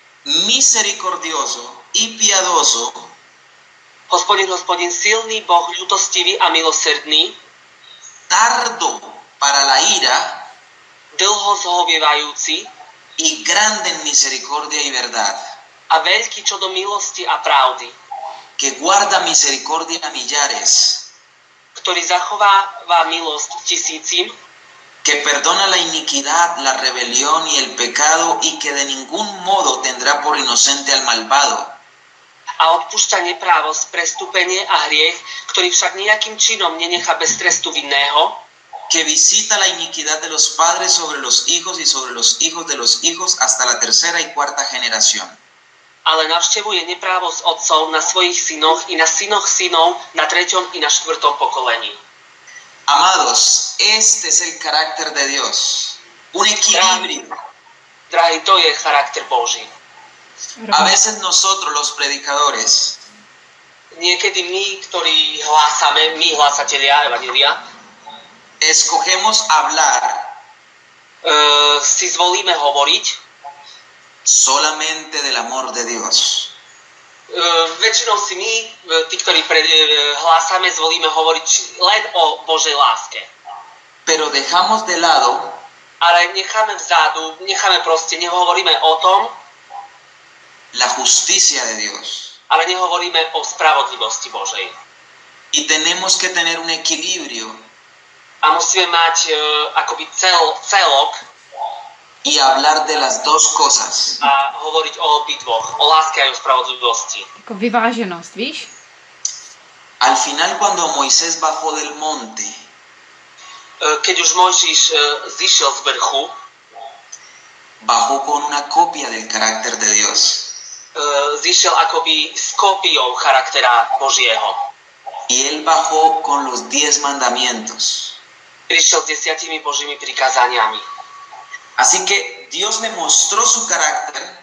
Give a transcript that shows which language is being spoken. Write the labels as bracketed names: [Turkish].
[Spanish] Misericordioso y piadoso. [Slovak] Hospodin, Hospodin, silný Boh, ľutostivý a milosrdný. [Spanish] Tardo. Para la ira, [Slovak] dlho zhovievajúci, [Spanish] y grande en misericordia y verdad, [Slovak] a veľký čo do milosti a pravdy, [Spanish] que guarda misericordia a millares, [Slovak] ktorý zachováva milosť tisícim, [Spanish] que perdona la iniquidad, la rebelión y el pecado, y que de ningún modo tendrá por inocente al malvado, [Slovak] a odpúšťa neprávosť, prestúpenie a hriech, ktorý však nejakým činom nenechá bez trestu vinného, [Spanish] que visita la iniquidad de los padres sobre los hijos y sobre los hijos de los hijos hasta la tercera y cuarta generación. [Slovak] Ale navštevuje neprávosť otcov na svojich synoch i na synoch synov na treťom i na štvrtom pokolení. [Spanish] Amados, este es el carácter de Dios. Un equilibrio. [Slovak] Drahí, to je charakter Boží. [Spanish] A veces nosotros, los predicadores, [Slovak] niekedy my, ktorí hlásame, my hlásatelia evanjelia, [Spanish] escogemos hablar. [Slovak] Si zvolíme hovoriť [Spanish] solamente del amor de Dios. [Slovak] Väčšinou si my, tí, ktorí hlásame, zvolíme hovoriť len o Božej láske. [Spanish] Pero dejamos de lado, [Slovak] ale necháme vzadu, necháme proste, nehovoríme o tom, [Spanish] la justicia de Dios. [Slovak] Ale nehovoríme o spravodlivosti Božej. [Spanish] Y tenemos que tener un equilibrio. [Slovak] A musíme mať akoby celok. [Spanish] Y hablar de las dos cosas. [Slovak] A hovoriť o obidvoch, o láske a o spravodlivosti. Ako vyváženosť, víš? [Spanish] Al final, cuando Moisés bajó del monte, [Slovak] keď už Mojžiš zišiel z vrchu, [Spanish] bajó con una copia del carácter de Dios. [Slovak] Zišiel akoby s kópiou charaktera Božieho. [Spanish] Y él bajó con los 10 mandamientos. [Slovak] Prišiel s 10 Božími prikázaniami. [Spanish] Así que Dios le mostró su carácter.